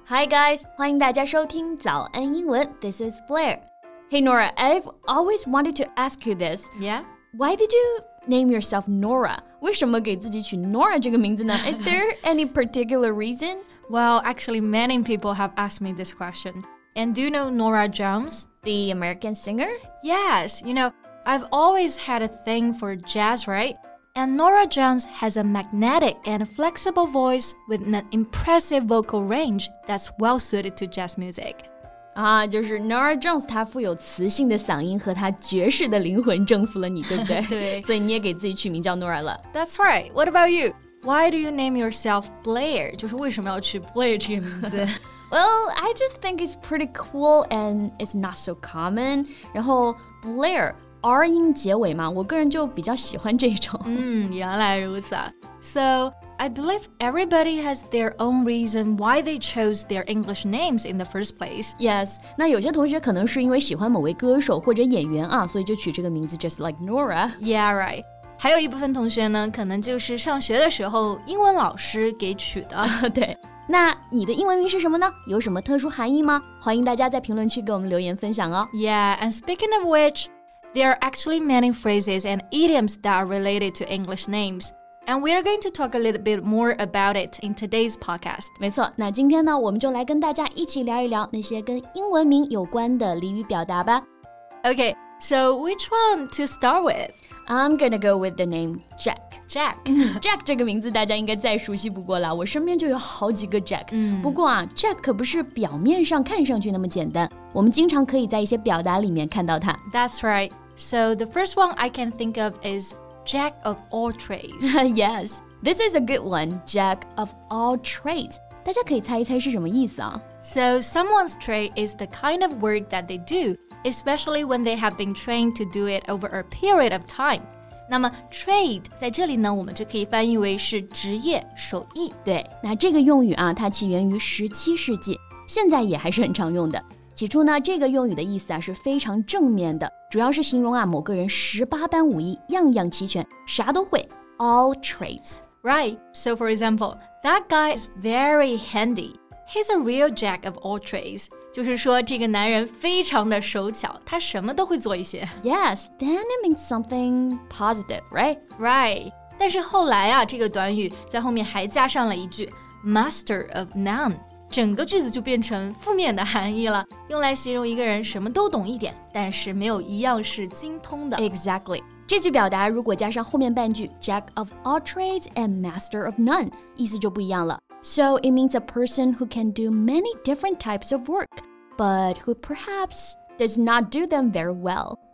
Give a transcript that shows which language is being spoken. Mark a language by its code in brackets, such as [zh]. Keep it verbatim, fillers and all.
[en] Hi guys, [zh] 欢迎大家收听早安英文。 [en] This is Blair. Hey Nora, I've always wanted to ask you this. Yeah? Why did you name yourself Nora? [zh] 为什么给自己取 Nora 这个名字呢？ [en] Is there any particular reason? Well, actually many people have asked me this question. And do you know Nora Jones? The American singer? Yes, you know, I've always had a thing for jazz, right? And Nora Jones has a magnetic and flexible voice with an impressive vocal range that's well suited to jazz music. [zh] 啊，就是 Nora Jones 她富有磁性的嗓音和她爵士的灵魂征服了你，对不对？对。所以你也给自己取名叫 Nora 了。 [en] That's right. What about you? Why do you name yourself Blair? [zh] 就是为什么要取 Blair 这个名字？ [en] Well, I just think it's pretty cool and it's not so common. [zh] 然后 Blair. R 音结尾嘛，我个人就比较喜欢这种。嗯，原来如此啊。 [en] So, I believe everybody has their own reason why they chose their English names in the first place. Yes, [zh] 那有些同学可能是因为喜欢某位歌手或者演员啊，所以就取这个名字 [en] just like Nora. Yeah, right. [zh] 还有一部分同学呢，可能就是上学的时候英文老师给取的。对。那你的英文名是什么呢？有什么特殊含义吗？欢迎大家在评论区给我们留言分享哦。 [en] Yeah, and speaking of which,There are actually many phrases and idioms that are related to English names, and we are going to talk a little bit more about it in today's podcast. [zh] 没错，那今天呢，我们就来跟大家一起聊一聊那些跟英文名有关的俚语表达吧。 [en] Okay, so which one to start with? I'm gonna go with the name Jack. Jack. [zh] Jack 这个名字大家应该再熟悉不过了，我身边就有好几个 Jack、嗯。不过啊 ，Jack 可不是表面上看上去那么简单，我们经常可以在一些表达里面看到它。 [en] That's right. So the first one I can think of is Jack of all trades. Yes, this is a good one, Jack of all trades. [zh] 大家可以猜一猜是什么意思啊？ [en] So someone's trade is the kind of work that they do, especially when they have been trained to do it over a period of time. [zh] 那么 trade 在这里呢，我们就可以翻译为是职业、手艺。对，那这个用语啊，它起源于十七世纪，现在也还是很常用的。起初呢，这个用语的意思啊是非常正面的，主要是形容啊某个人十八般武艺，样样齐全，啥都会 ，all trades. [en] Right. So for example, that guy is very handy. He's a real jack of all trades. [zh] 就是说这个男人非常的手巧，他什么都会做一些。 [en] Yes. Then it means something positive, right? Right. [zh] 但是后来啊，这个短语在后面还加上了一句 master of none. 整个句子就变成负面的含义了，用来形容一个人什么都懂一点，但是没有一样是精通的。 [en] Exactly. [zh] 这句表达如果加上后面半句 [en] Jack of all trades and master of none, [zh] 意思就不一样了。 [en] So it means a person who can do many different types of work, but who perhaps does not do them very well.